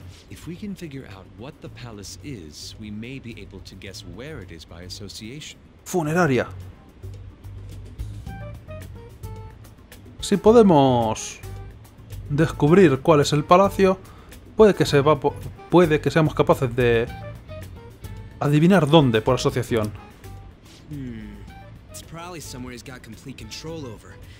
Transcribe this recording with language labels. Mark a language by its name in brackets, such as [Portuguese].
[English] If we can figure out what the palace is, we may be able to guess where it is by association. [Spanish] Funeraria. Si podemos descubrir cuál es el palacio, puede que seamos capaces de adivinar dónde por asociación. [English] It's probably somewhere he's got complete control over.